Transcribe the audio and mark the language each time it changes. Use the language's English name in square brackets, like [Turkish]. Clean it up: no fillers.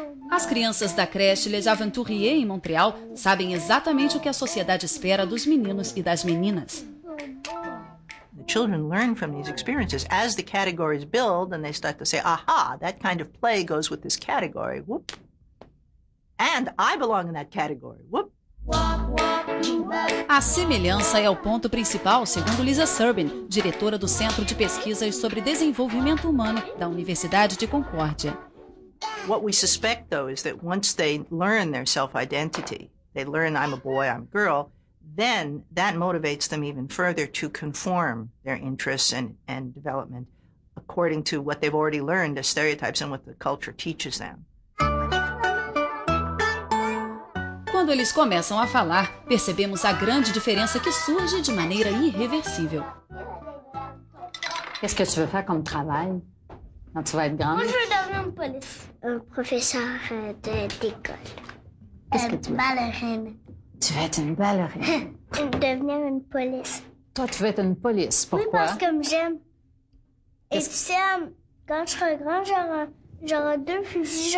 [Portuguese] As crianças da creche Les Aventuriers, em Montreal, sabem exatamente o que a sociedade espera dos meninos e das meninas. [English] The children learn from these experiences. As the categories build, and they start to say, aha, that kind of play goes with this category. Whoop. And I belong in that category. [Portuguese] A semelhança é o ponto principal, segundo Lisa Serbin, diretora do Centro de Pesquisas sobre Desenvolvimento Humano da Universidade de Concórdia. [English] What we suspect, though, is that once they learn their self-identity, they learn I'm a boy, I'm a girl, then that motivates them even further to conform their interests and development according to what they've already learned as stereotypes and what the culture teaches them. [Portuguese] Quando eles começam a falar, percebemos a grande diferença que surge de maneira irreversível. [French] Qu'est-ce que tu veux faire comme travail quand tu vas être grande? Moi, je veux devenir une police. Un professeur d'école. Qu'est-ce que tu veux? Ballerine. Tu veux être une ballerine? Devenir une police. Toi, tu veux être une police. Pourquoi? Oui, parce que j'aime. Quand je serai grand, j'aurai deux fusils.